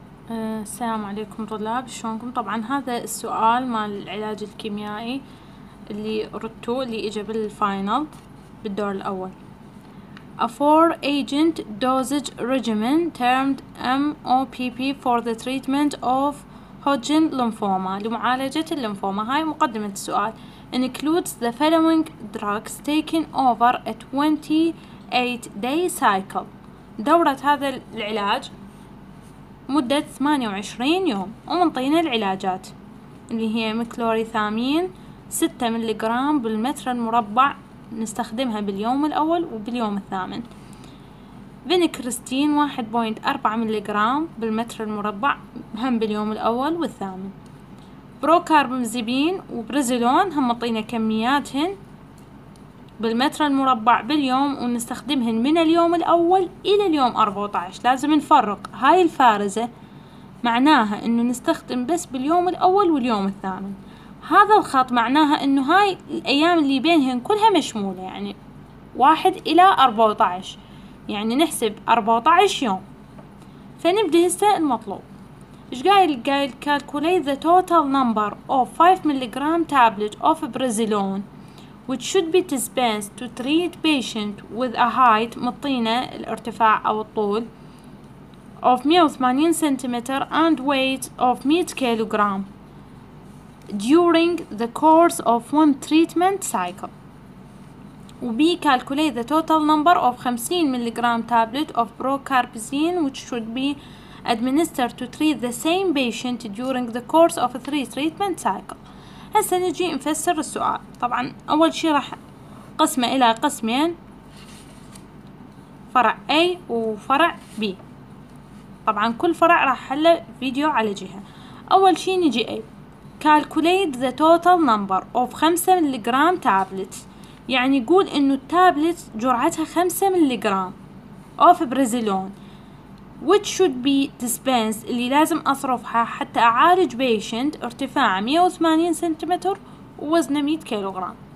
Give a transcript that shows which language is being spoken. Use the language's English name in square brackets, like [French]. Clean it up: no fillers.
[Arabic] السلام عليكم طلاب، شلونكم؟ طبعا هذا السؤال مع العلاج الكيميائي اللي ردتو اللي اجى بالفاينل بالدور الاول. [English] A four agent dosage regimen termed MOPP for the treatment of Hodgkin lymphoma [Arabic] لمعالجة اللمفوما. هاي مقدمة السؤال. [English] Includes the following drugs taken over a 28-day cycle. [Arabic] دورة هذا العلاج مدة 28 يوم، ومنطينا العلاجات اللي هي ميكلوريثامين 6 ملي جرام بالمتر المربع نستخدمها باليوم الأول وباليوم الثامن، فينكريستين 1.4 ملي جرام بالمتر المربع هم باليوم الأول والثامن، بروكاربمزيبين وبريزيلون هم منطينا كمياتهن بالمتر المربع باليوم ونستخدمهن من اليوم الأول إلى اليوم 14. لازم نفرق هاي الفارزة، معناها إنه نستخدم بس باليوم الأول واليوم الثامن. هذا الخط معناها إنه هاي الأيام اللي بينهن كلها مشمولة، يعني 1 إلى 14، يعني نحسب 14 يوم. فنبدأ هسه المطلوب. إيش قايل؟ قايل [English] calculate the total number of 5 milligram tablet of brazilone which should be dispensed to treat patient with a height [Arabic] مطينة الارتفاع أو الطول [English] of 180 centimetre and weight of 100 kilogram during the course of one treatment cycle. وبي calculate the total number of 50 milligram tablet of procarbazine which should be administered to treat the same patient during the course of a 3 treatment cycle. [Arabic] هسه نجي نفسر السؤال. طبعا اول شيء راح قسمه الى قسمين، فرع A وفرع B. طبعا كل فرع راح احله فيديو على جهة. اول شيء نجي A، [English] calculate the total number of 5 [Arabic] ملغرام تابلت، يعني يقول انه التابلت جرعتها 5 ملغرام [English] of brazilone which should be dispensed [Arabic] اللي لازم اصرفها حتى اعالج patient ارتفاع 180 سنتيمتر ووزنه 100 كيلوغرام.